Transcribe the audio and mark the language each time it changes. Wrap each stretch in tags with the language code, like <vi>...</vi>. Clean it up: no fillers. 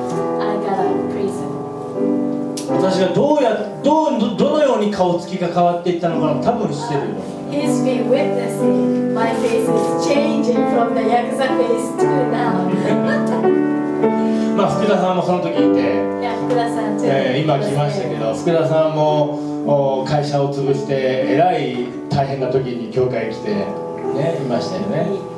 <ja>私がどのように顔つきが変わっていったのかも多分知ってるよ。</ja> <en>He's been witnessing my face is changing from the Yakuza face to now.</en> <ja>まあ、福田さんもその時いて、いや福田さん、今来ましたけど、福田さんも会社を潰してえらい大変な時に教会来て、ね、いましたよね。</ja>